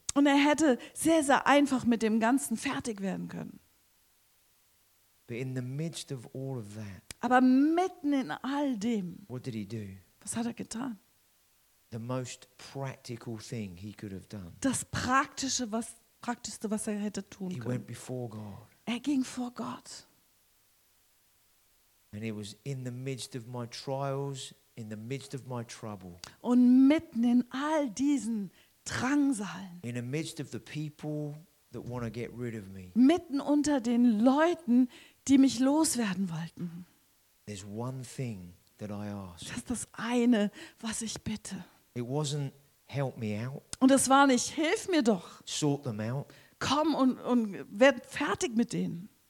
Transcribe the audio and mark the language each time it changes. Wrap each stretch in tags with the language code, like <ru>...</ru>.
<de>Und er hätte sehr, sehr einfach mit dem Ganzen fertig werden können.</de> <en>But in the midst of all of that,</en> <de>aber mitten in all dem,</de> <en>what did he do?</en> <de>Was hat er getan?</de> <en>The most practical thing he could have done.</en> <de>Das praktische, was praktischste, was er hätte tun können.</de> <en>He went before God.</en> <de>Er ging vor Gott.</de> <en>And it was in the midst of my trials, in the midst of my trouble.</en> <de>Und mitten in all diesen Drangsalen.</de> <en>In the midst of the people that want to get rid of me.</en> <de>Mitten unter den Leuten, die mich loswerden wollten.</de> <en>There's one thing that I ask.</en> <de>Das ist das eine, was ich bitte.</de> <en>It wasn't help me out.</en> <de>Und es war nicht hilf mir doch.</de> <en>Sort them out.</en> <de>Komm und werd fertig mit denen.</de>